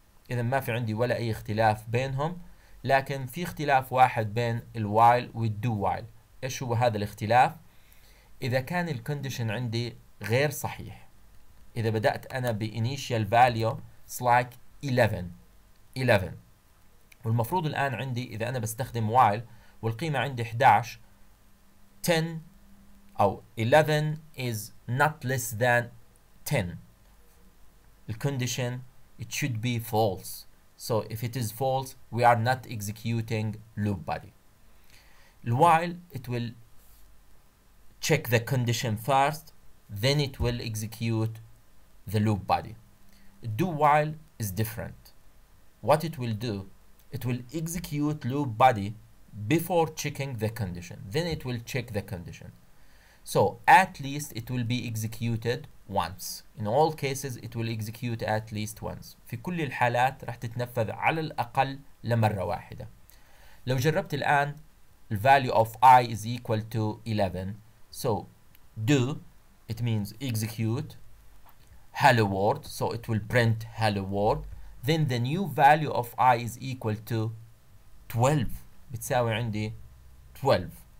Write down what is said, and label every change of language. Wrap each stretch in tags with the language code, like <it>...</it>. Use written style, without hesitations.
<ar>إذن ما في عندي ولا أي اختلاف بينهم، لكن في اختلاف واحد بين while والdo while. إيش هو هذا الاختلاف؟ إذا كان الكونديشن عندي غير صحيح، إذا بدأت أنا بإنيشيال فاليو سلايك 11 والمفروض الآن عندي إذا أنا بستخدم while والقيمة عندي 11، 10 أو 11 is not less than 10، الكونديشن it should be false.</ar> <en>So if it is false we are not executing loop body. الwhile it will check the condition first, then it will execute the loop body. Do while is different. What it will do, it will execute loop body before checking the condition, then it will check the condition. So at least it will be executed once. In all cases it will execute at least once.</en> <ar>في كل الحالات راح تتنفذ على الأقل لمرة واحدة.</ar> <en>لو جربت الآن the value of i is equal to 11. So do it means execute hello world, so it will print hello world. Then the new value of i is equal to 12, بتساوي عندي 12.</en>